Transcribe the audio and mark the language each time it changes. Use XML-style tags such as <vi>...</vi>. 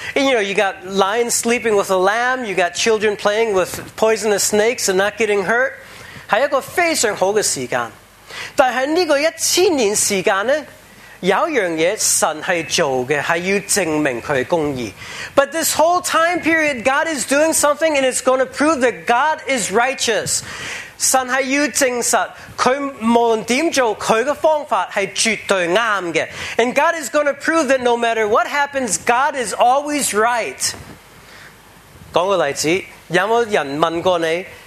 <en>And you know, you got lions sleeping with a lamb, you got children playing with poisonous snakes and not getting hurt.</en> <zh>是一个非常好的时间。但是在这个1,000年时间呢，有一件事神是做的，是要证明他的公义。</zh> <en>But this whole time period, God is doing something and it's going to prove that God is righteous.</en> <zh>神是要证实，他无论怎么做，他的方法是绝对对的。</zh> <en>And God is going to prove that no matter what happens, God is always right.</en> <zh>讲个例子，有没有人问过你？</zh>